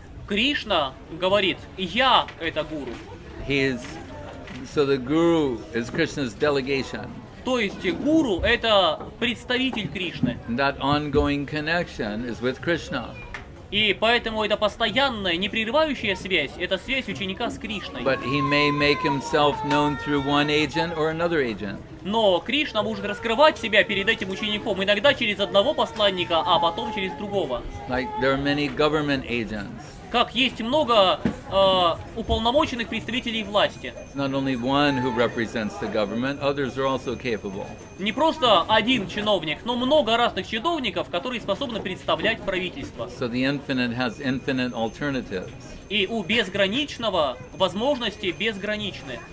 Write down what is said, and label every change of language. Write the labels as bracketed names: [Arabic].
[Russian] Кришна говорит, я это гуру. [English] He is, so the guru is Krishna's delegation. [Russian] То есть гуру это представитель Кришны. [English] That ongoing connection is with Krishna. [Russian] И поэтому это постоянная, непрерывающая связь, это связь ученика с Кришной. [English] But he may make himself known through one agent or another agent. [Russian] Но Кришна может раскрывать себя перед этим учеником иногда через одного посланника, а потом через другого. [English] Like there are many government agents. [Russian] Как есть много уполномоченных представителей власти. [English] Not only one who represents the government, others are also capable. [Russian] Не просто один чиновник, но много разных чиновников, которые способны представлять правительство. [English] So the infinite has infinite alternatives. [Russian] И у безграничного возможности безграничны.